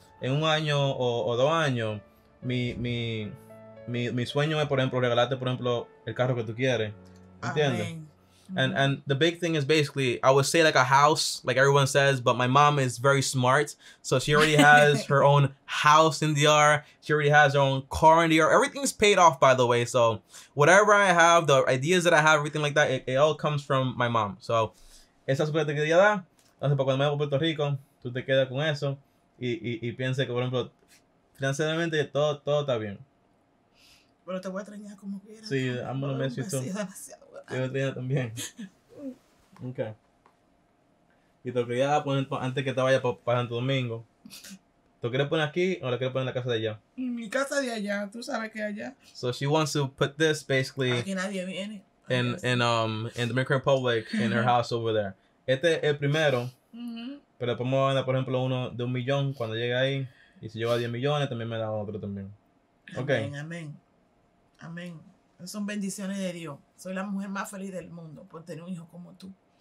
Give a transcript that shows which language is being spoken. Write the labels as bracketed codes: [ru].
[es] en un año o dos años, mi sueño es, por ejemplo, regalarte, por ejemplo, el carro que tú quieres. ¿Entiendes? [en] And the big thing is basically, I would say like a house, like everyone says, but my mom is very smart. So she already has her own house in DR. She already has her own car in DR. Everything's paid off, by the way. So whatever I have, the ideas that I have, everything like that, it all comes from my mom. So [es] esa suerte que ella da, entonces para cuando me voy a Puerto Rico, tú te quedas con eso y piensa que, por ejemplo, financieramente todo está bien. Pero te voy a extrañar como quieras. Sí, amo los meses y todo. Te voy a extrañar también. Ok. Y te lo quería poner antes que te vayas para Santo Domingo. ¿Te lo quieres poner aquí o lo quieres poner en la casa de allá? Mi casa de allá. Tú sabes que allá. [en] So she wants to put this basically... [es] Aquí nadie viene. [en] In the Dominican Republic, in her house over there. [es] Este es el primero. Mm-hmm. Pero después me va a dar, por ejemplo, uno de 1,000,000 cuando llegue ahí. Y si lleva 10 millones, también me da otro también. Ok. Amén, amén. Amén. Son bendiciones de Dios. Soy la mujer más feliz del mundo por tener un hijo como tú.